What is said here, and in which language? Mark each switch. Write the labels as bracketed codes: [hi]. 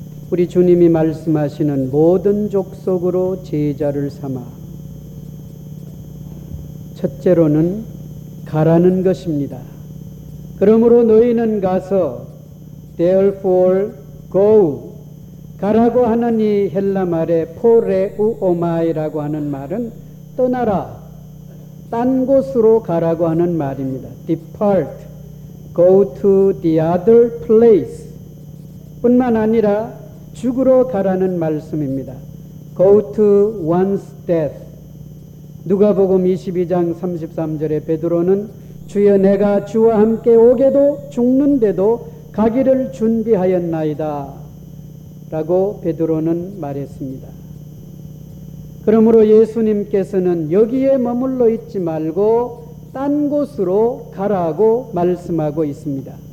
[ko] 우리 주님이 말씀하시는 모든 족속으로 제자를 삼아 첫째로는 가라는 것입니다. 그러므로 너희는 가서 [en] therefore go [ko] 가라고 하는 이 헬라 말의 poreuomai라고 하는 말은 떠나라 딴 곳으로 가라고 하는 말입니다. [en] depart go to the other place [ko] 뿐만 아니라 죽으러 가라는 말씀입니다. [en] Go to one's death. [ko] 누가복음 22장 33절에 베드로는 주여 내가 주와 함께 오게도 죽는데도 가기를 준비하였나이다 라고 베드로는 말했습니다. 그러므로 예수님께서는 여기에 머물러 있지 말고 딴 곳으로 가라고 말씀하고 있습니다.